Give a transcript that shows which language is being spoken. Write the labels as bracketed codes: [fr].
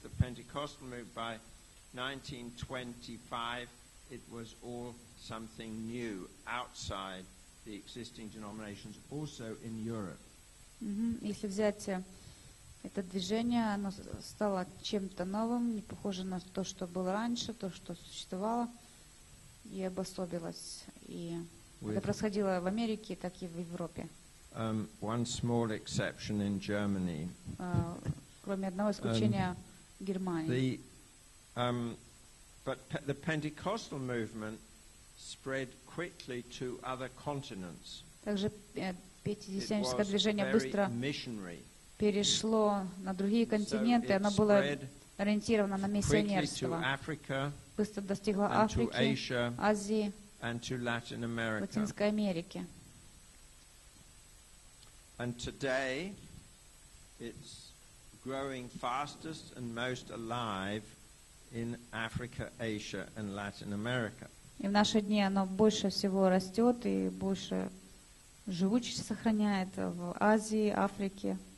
[en] The Pentecostal movement by 1925, it was all something new outside the existing denominations, also in Europe. [ru] Если взять это движение, оно стало чем-то новым, не похоже на то, что было раньше, то, что существовало, и обособилось, и Это происходило в Америке, так и в Европе. [en] One small exception in Germany. [ru] Кроме одного исключения Германии. [en] But the Pentecostal movement spread quickly to other continents. [ru] Также пятидесятническое движение быстро перешло на другие континенты. Оно было ориентировано на миссионерство. Быстро достигло Африки, Азии, Латинской Америки. [en] And today, it's growing fastest and most alive in Africa, Asia, and Latin America. [ru] И в наши дни оно больше всего растет и больше живучесть сохраняет в Азии, Африке.